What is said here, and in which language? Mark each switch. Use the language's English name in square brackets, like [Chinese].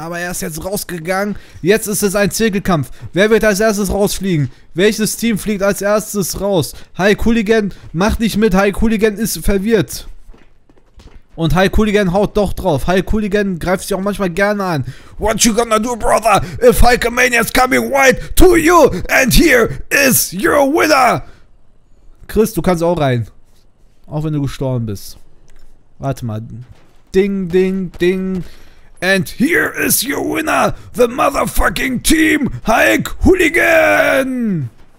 [German] Aber er ist jetzt rausgegangen. Jetzt ist es ein Zirkelkampf. Wer wird als erstes rausfliegen? Welches Team fliegt als erstes raus? High Cooligan, mach nicht mit. High Cooligan ist verwirrt. Und High Cooligan haut doch drauf. High Cooligan greift sich auch manchmal gerne an. [English] What you gonna do, brother? If Hulkamania is coming right to you and here is your winner. [German] Chris, du kannst auch rein. Auch wenn du gestorben bist. Warte mal. Ding, ding, ding. [English] And here is your winner, the motherfucking team, Hulk Hooligan!